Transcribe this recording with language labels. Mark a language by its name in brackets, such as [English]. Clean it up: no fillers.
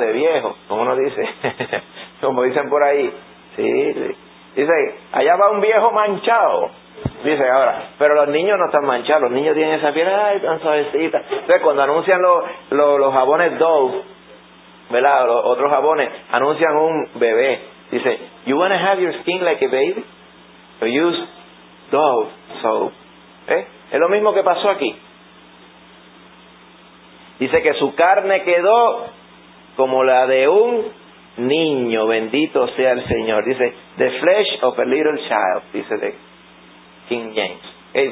[Spanish] De viejo, como uno dice. Como dicen por ahí. Sí, sí. Dice, allá va un viejo manchado. Dice ahora, pero los niños no están manchados, los niños tienen esa piel, ay, tan suavecita. Entonces, cuando anuncian los jabones Dove, ¿verdad? Los otros jabones, anuncian un bebé. [English] Dice, you want to have your skin like a baby? So use Dove soap. ¿Eh? [Spanish] Es lo mismo que pasó aquí. Dice que su carne quedó como la de un niño, bendito sea el Señor. [English] Dice, the flesh of a little child, [Spanish] dice de King James.